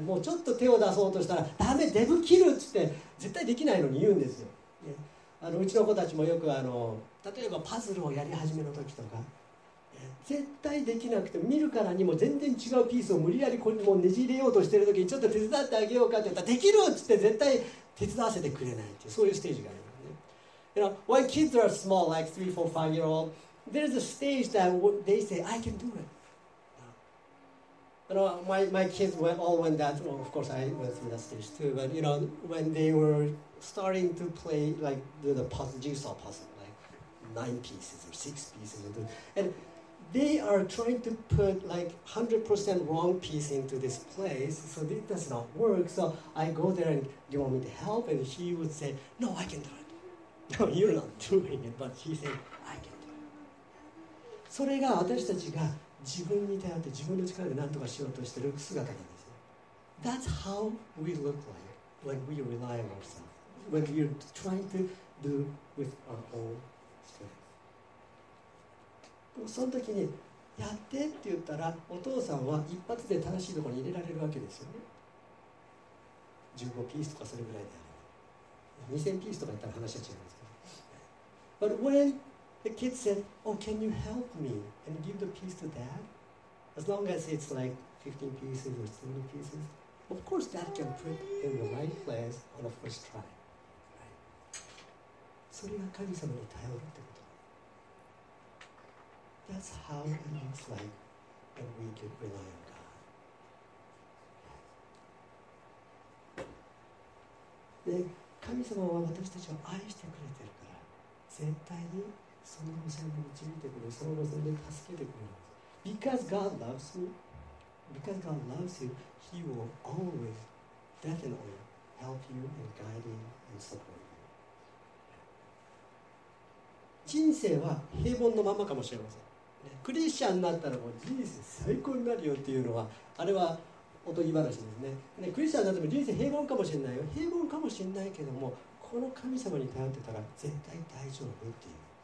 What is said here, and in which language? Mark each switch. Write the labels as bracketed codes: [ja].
[ja] もうちょっと手を出そうとしたら、ダメ、デブ切るっつって絶対できないのに言うんですよ、ね、あのうちの子たちもよくあの例えばパズルをやり始めの時とか、絶対できなくて、見るからにも全然違うピースを無理やりこれもうねじ入れようとしてる時に、ちょっと手伝ってあげようかって言ったら、できるっつって絶対手伝わせてくれないっていう、そういうステージがあるんですね。 [en] You know, when kids are small, like 3, 4, 5 year oldThere's a stage that they say, I can do it. You know, my kids all went that, well, of course I went through that stage too, but you know, when they were starting to play, like do the puzzle, jigsaw puzzle, like 9 pieces or 6 pieces, and they are trying to put like 100% wrong piece into this place, so it does not work. So I go there and, do you want me to help? And he would say, no, I can do it. No, you're not doing it, but he said, I can. [ja] それが私たちが自分に頼って自分の力で何とかしようとしている姿なんですよ。 [en] That's how we look like when we rely on ourselves, when we're trying to do with our own strength. [ja] その時にやってって言ったら、お父さんは一発で正しいところに入れられるわけですよね。 15ピースとかそれぐらいであれば、2000ピースとかいったら話は違いますけど。 [en] But whenThe kid said, oh, can you help me and give the piece to dad? As long as it's like 15 pieces or 20 pieces, of course dad can put in the right place on the first try. [ja] それが神様に頼るってこと。 [en] That's how it looks like when we can rely on God. [ja] で、神様は私たちを愛してくれてるから、絶対にその路線で導いてくれる、その路線で助けてくれる。 [en] Because God loves me, because God loves you, He will always definitely help you and guide you and support you. [ja] 人生は平凡のままかもしれません。クリスチャンになったらもう人生最高になるよっていうのは、あれはおとぎ話ですね。クリスチャンになっても人生平凡かもしれないよ。平凡かもしれないけども、この神様に頼ってたら絶対大丈夫っていう。